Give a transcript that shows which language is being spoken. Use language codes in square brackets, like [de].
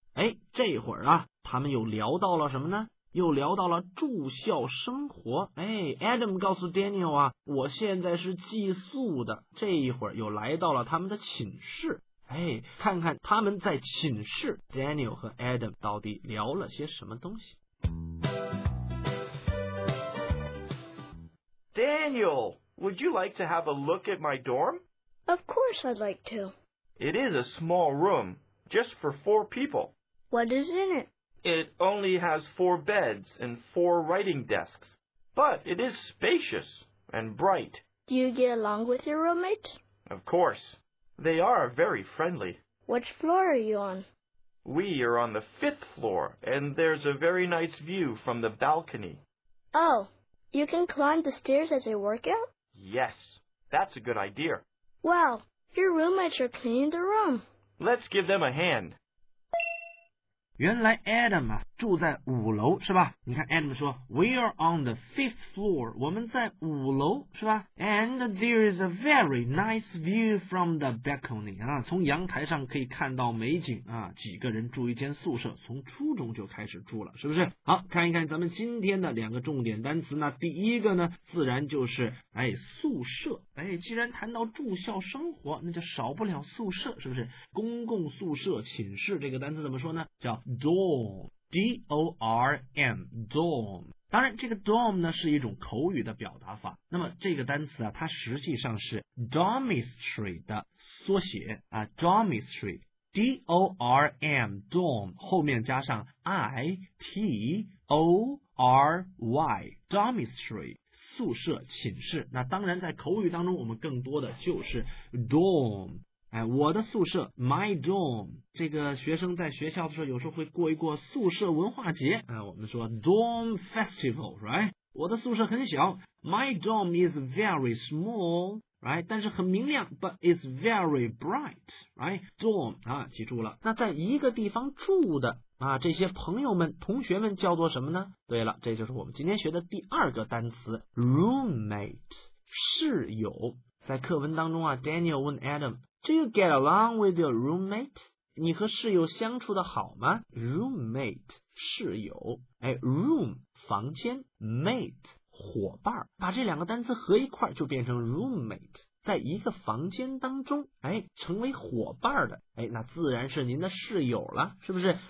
[zh] 哎，这会儿啊，他们又聊到了什么呢？又聊到了住校生活。哎， Adam 告诉 Daniel 啊，我现在是寄宿的。这一会儿又来到了他们的寝室。哎，看看他们在寝室 Daniel 和 Adam 到底聊了些什么东西。 [en] Daniel, would you like to have a look at my dorm? Of course I'd like to. It is a small room, just for four people. What is in it? It only has four beds and four writing desks. But it is spacious and bright. Do you get along with your roommates? Of course. They are very friendly. Which floor are you on? We are on the fifth floor, and there's a very nice view from the balcony. Oh. You can climb the stairs as a workout? Yes, that's a good idea. Well, your roommates are cleaning the room. Let's give them a hand. [zh] 原来 Adam 啊住在五楼是吧？你看 Adam 说 [en] We are on the fifth floor. [zh] 我们在五楼是吧？ [en] And there is a very nice view from the balcony. [zh] 啊，从阳台上可以看到美景啊。几个人住一间宿舍，从初中就开始住了，是不是？好，看一看咱们今天的两个重点单词。那第一个呢，自然就是哎宿舍。哎，既然谈到住校生活，那就少不了宿舍，是不是？公共宿舍、寝室这个单词怎么说呢？叫Dorm, D-O-R-M, dorm. 当然这个 dorm 呢是一种口语的表达法，那么这个单词啊它实际上是 dormitory 的缩写啊， dormitory, D-O-R-M, dorm, 后面加上 I-T-O-R-Y, dormitory, 宿舍寝室。那当然在口语当中我们更多的就是 dorm,哎，我的宿舍 [en] my dorm。 [zh] 这个学生在学校的时候有时候会过一过宿舍文化节，哎，我们说 [en] dorm festival, right? [zh] 我的宿舍很小， [en] my dorm is very small, right? [zh] 但是很明亮， [en] but it's very bright, right? [zh] dorm, 啊，记住了。那在一个地方住的啊，这些朋友们同学们叫做什么呢？对了，这就是我们今天学的第二个单词 roommate, 室友。在课文当中啊， Daniel 问 [en] AdamDo you get along with your roommate? [zh] 你和室友相处的好吗？ Roommate, 室友。哎， room, 房间， mate, 伙伴。把这两个单词合一块就变成 roommate。在一个房间当中，哎，成为伙伴的，哎，那自然是您的室友了，是不是？